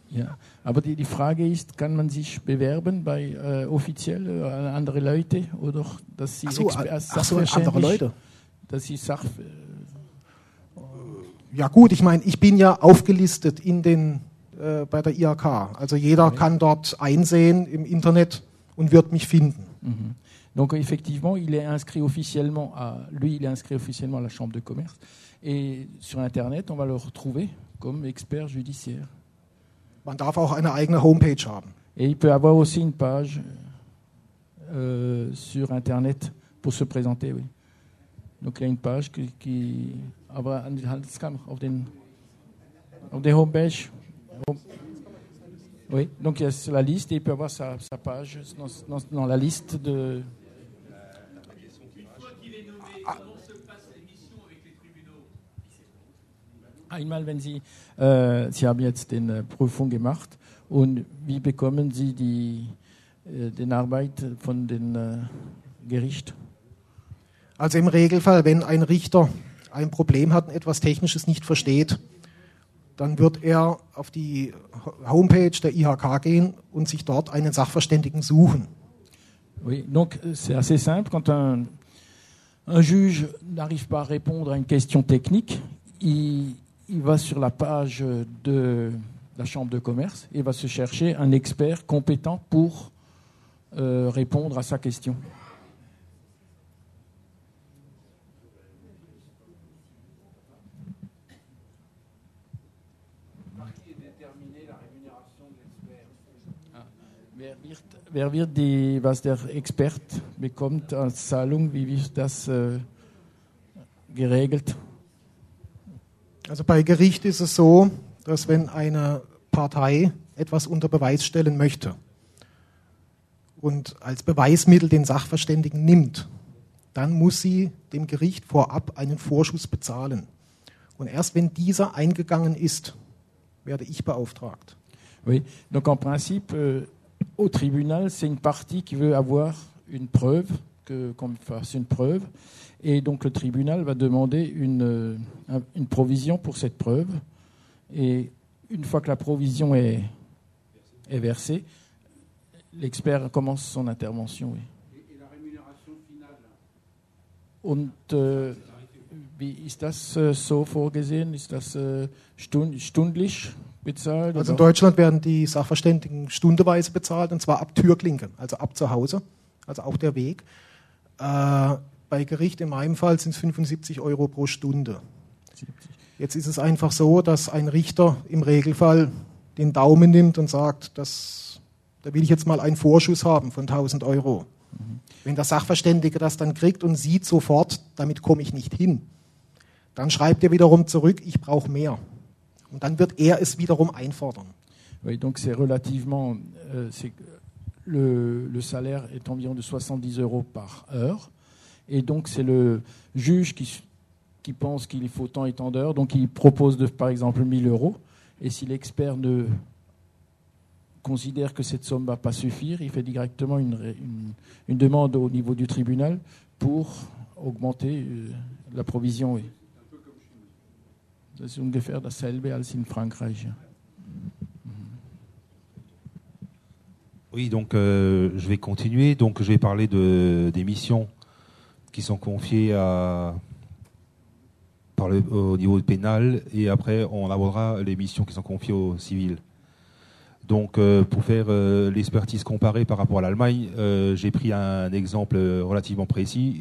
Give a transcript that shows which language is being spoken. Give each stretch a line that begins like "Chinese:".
German: Ja, aber die Frage ist, kann man sich bewerben bei offiziell an andere Leute oder dass sie andere Leute? Dass sie sag, ja gut, ich meine, ich bin ja aufgelistet in den bei der IHK. Also jeder kann dort einsehen im Internet und wird mich finden. Mhm.
French: Donc effectivement, il est inscrit officiellement à lui, il est inscrit officiellement à la Chambre de commerce. Et sur Internet, on va le retrouver comme expert judiciaire.
German: Man darf auch eine eigene Homepage haben.
French: Et il peut avoir aussi une page sur Internet pour se présenter, oui. Donc il y a une page qui
German: aber an die Handelskammer auf der Homepage.
French: Oui, donc il y a la liste et il peut avoir sa page dans la liste de.
German: Einmal, wenn Sie, Sie haben jetzt den Prüfung gemacht und wie bekommen Sie die den Arbeit von den Gericht? Also im Regelfall, wenn ein Richter ein Problem hat und etwas Technisches nicht versteht, dann wird er auf die Homepage der IHK gehen und sich dort einen Sachverständigen suchen.
French: Oui, donc c'est assez simple. Quand un juge n'arrive pas à répondre à une question technique, il va sur la page de la Chambre de commerce et va se chercher un expert compétent pour répondre à sa question.
German: Wer wird die, was der Expert bekommt als Zahlung, wie wird das geregelt? Also bei Gericht ist es so, dass wenn eine Partei etwas unter Beweis stellen möchte und als Beweismittel den Sachverständigen nimmt, dann muss sie dem Gericht vorab einen Vorschuss bezahlen. Und erst wenn dieser eingegangen ist, werde ich beauftragt.
French: Oui, donc en principe, au tribunal, c'est une partie qui veut avoir une preuve, qu'on fasse une preuve. Et donc le tribunal va demander une provision pour cette preuve. Et une fois que la provision est versée, l'expert commence son intervention. Oui. Et la rémunération finale?
German: Und wie ist das so vorgesehen? Ist das stundlich? Bezahlt, also in Deutschland werden die Sachverständigen stundeweise bezahlt, und zwar ab Türklinke, also ab zu Hause, also auch der Weg. Bei Gericht in meinem Fall sind es 75 Euro pro Stunde. 70. Jetzt ist es einfach so, dass ein Richter im Regelfall den Daumen nimmt und sagt, da will ich jetzt mal einen Vorschuss haben von 1000 Euro. Mhm. Wenn der Sachverständige das dann kriegt und sieht sofort, damit komme ich nicht hin, dann schreibt er wiederum zurück, ich brauche mehr. Und dann wird er es wiederum einfordern.
French: Oui, donc c'est relativement, c'est le salaire est environ de 70 euros par heure, et donc c'est le juge qui pense qu'il faut tant et tant d'heures, donc il propose de par exemple 1000 euros, et si l'expert ne considère que cette somme va pas suffire, il fait directement une demande au niveau du tribunal pour augmenter la provision. Oui.
German: Das ist ungefähr dasselbe als in Frankreich.
French: Oui, donc je vais continuer. Donc je vais parler des missions qui sont confiées au niveau pénal, et après on abordera les missions qui sont confiées aux civils. Donc pour faire l'expertise comparée par rapport à l'Allemagne, j'ai pris un exemple relativement précis.